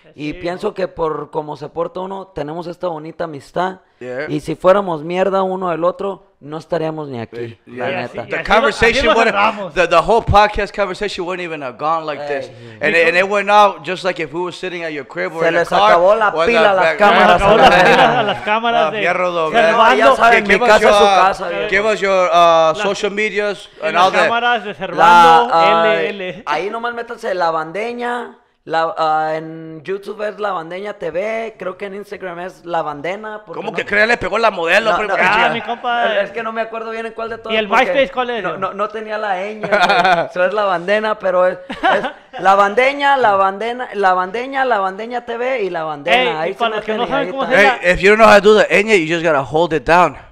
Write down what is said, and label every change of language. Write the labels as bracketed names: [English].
[Spanish] Y sí, pienso que por cómo se porta uno, tenemos esta bonita amistad. [English] Yeah. [Spanish] Y si fuéramos mierda uno del otro, no estaríamos ni aquí, la neta. [English] The conversation, the whole podcast conversation wouldn't even have gone like this. And it went out just like if we were sitting at your crib or in a car. [Spanish] Se les acabó la pila a las cámaras. Se les acabó la pila a las cámaras. Fierro Domínguez. Ya saben, mi casa es su casa. [English] Give us your social medias and all that. [Spanish] Las cámaras de Servando LL. Ahí nomás métanse La Bandeña. En YouTube es La Bandeña TV, creo que en Instagram es La Bandena. ¿Cómo no? Que crea, le pegó la modelo. No, no, ah, mi compa. Es que no me acuerdo bien en cuál de todos. ¿Y el MySpace cuál es? No tenía la ñ. Eso es La Bandena, pero es La Bandeña, La Bandena, La Bandeña, La Bandeña TV y La Bandena. Ey, ahí para los que no saben cómo se llama. [English] If you don't know how to do the ñ, you just gotta hold it down.